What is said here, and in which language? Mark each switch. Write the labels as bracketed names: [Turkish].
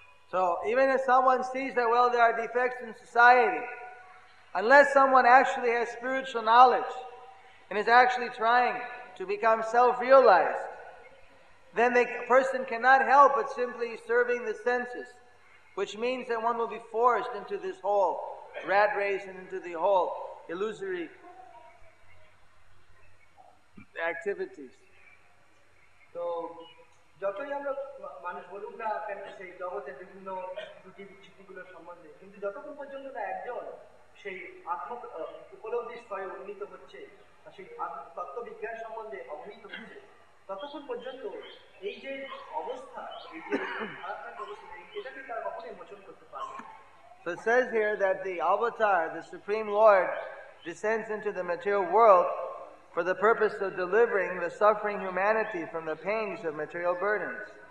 [English] So even if someone sees that, well, there are defects in society, unless someone actually has spiritual knowledge and is actually trying to become self-realized, then the person cannot help but simply serving the senses, which means that one will be forced into this whole rat race and into the whole illusory activities. [Bangla] So, যতই আমরা মানুষ বলুক না কেন সেই জগতের বিভিন্ন দুটি বিচ্ছিন্নগুলোর সম্বন্ধে, কিন্তু যতক্ষণ পর্যন্ত না একজন সেই আত্ম উপলব্ধি স্তরে উন্নীত হচ্ছে, সেই তত্ত্ববিজ্ঞান সম্বন্ধে অবহিত হচ্ছে, ততক্ষণ পর্যন্ত এই যে অবস্থা, এই যে এটাকে তার কখনোই মোচন করতে পারবে না। [English] So it says here that the avatar, the Supreme Lord, descends into the material world for the purpose of delivering the suffering humanity from the pains of material burdens.